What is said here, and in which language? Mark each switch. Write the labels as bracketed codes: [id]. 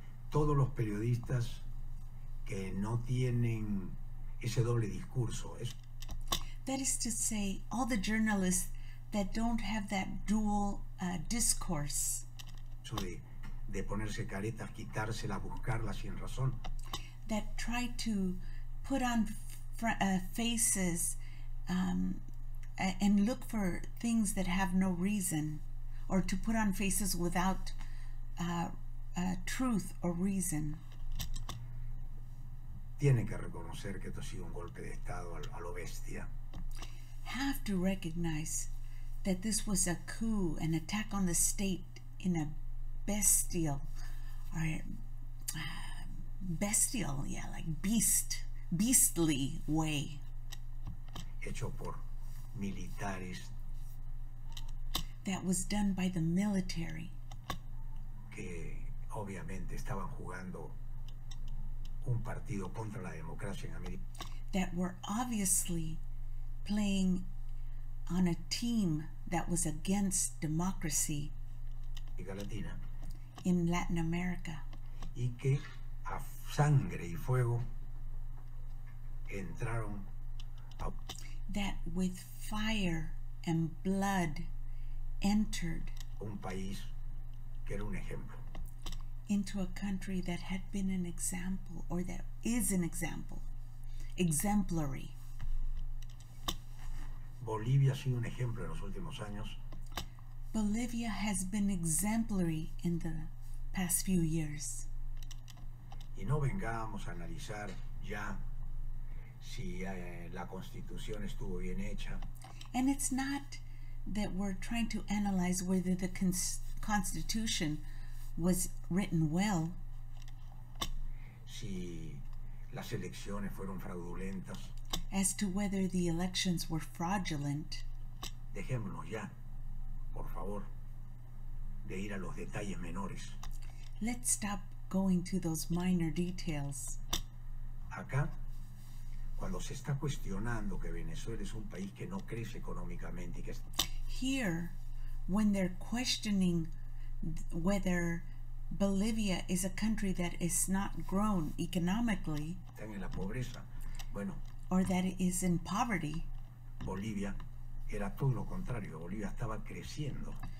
[es] Todos los periodistas que no tienen ese doble discurso. [en] That is to say, all the journalists that don't have that dual discourse. [es] So de ponerse caretas, quitárselas, buscarlas sin razón. [en] That try to put on faces and look for things that have no reason, or to put on faces without truth or reason. [es] Tienen que reconocer que esto ha sido un golpe de estado a lo bestia. [en] Have to recognize that this was a coup, an attack on the state in a bestial, or bestial, yeah, like beastly way. [es] Hecho por militares. [en] That was done by the military. [es] Que obviamente estaban jugando un partido contra la democracia en América. [en] That were obviously playing on a team that was against democracy [es] Latina. [en] In Latin America. [es] Y que a sangre y fuego entraron a... [en] That with fire and blood entered [es] un país que era un ejemplo. [en] Into a country that had been an example, or that is an example, exemplary. [es] Bolivia ha sido un ejemplo en los últimos años. [en] Bolivia has been exemplary in the past few years. [es] Y no vengamos a analizar ya si la constitución estuvo bien hecha. [en] And it's not that we're trying to analyze whether the constitution was written well. [es] Si las elecciones fueron fraudulentas. [en] As to whether the elections were fraudulent. [es] Dejémonos ya, por favor, de ir a los detalles menores. [en] Let's stop going to those minor details. [es] Acá, cuando se está cuestionando que Venezuela es un país que no crece económicamente y que está... [en] Here, when they're questioning whether Bolivia is a country that is not grown economically. [es] Están en la pobreza. Bueno, [en] or that it is in poverty. [es] Bolivia era todo lo contrario. Bolivia estaba creciendo.